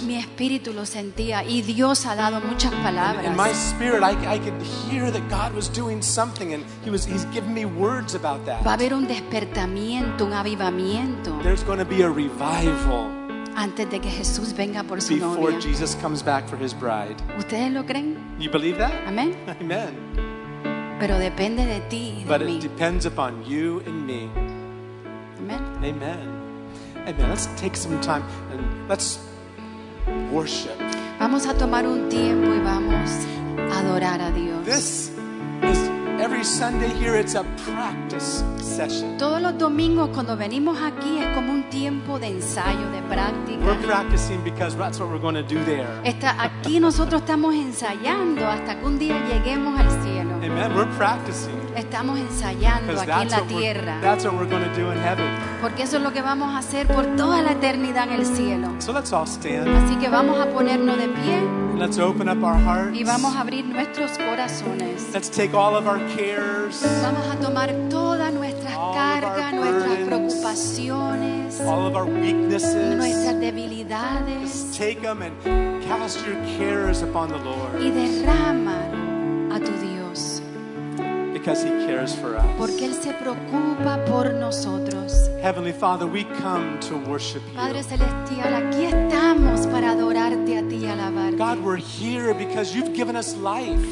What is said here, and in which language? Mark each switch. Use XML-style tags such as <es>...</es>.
<es>mi espíritu lo sentía y Dios ha dado muchas palabras.</es> <en>In my spirit, I could hear that God was doing something and he's giving me words about that.</en> <es>Va a haber un despertamiento, un avivamiento.</es> <en>There's going to be a revival.</en> <es>Antes de que Jesús venga por su</es> <en>Before</en> <es>novia.</es> <en>Jesus comes back for his bride.</en> <es>¿Ustedes lo creen?</es> <en>You believe that? Amen. Amen.</en> <es>Pero depende de ti y de</es> <en>But it</en> <es>mí.</es> <en>Depends upon you and me. Amen. Amen. Amen. Let's take some time and let's worship.</en> <es>Vamos a tomar un tiempo y vamos a adorar a Dios.</es> <en>This is every Sunday here. It's a practice session.</en> <es>Todos los domingos cuando venimos aquí es como un tiempo de ensayo, de práctica.</es> <en>We're practicing because that's what we're going to do there.</en> <es>Está aquí nosotros estamos ensayando hasta que un día lleguemos al cielo.</es> <en>Amen. We're practicing.</en> <es>Estamos ensayando aquí en la tierra.</es> <en>That's what we're going to do in heaven.</en> <es>Porque eso es lo que vamos a hacer por toda la eternidad en el cielo.</es> <en>So let's all stand.</en> <es>Así que vamos a ponernos de pie.</es> <en>And let's open up our hearts.</en> <es>Y vamos a abrir nuestros corazones.</es> <en>Let's take all of our cares.</en> <es>Vamos a tomar todas nuestras cargas, nuestras preocupaciones. situaciones,</es> <en>all of our weaknesses,</en> <es>nuestras debilidades.</es> <en>Just take them and cast your cares upon the Lord.</en> <es>Y derrama a tu Dios.</es> <en>Because he cares for us.</en> <es>Porque él se preocupa por nosotros.</es> <en>Heavenly Father, we come to worship you.</en> <es>Padre celestial, aquí estamos para adorarte a ti y alabarte.</es> <en>God, we're here because you've given us life.</en>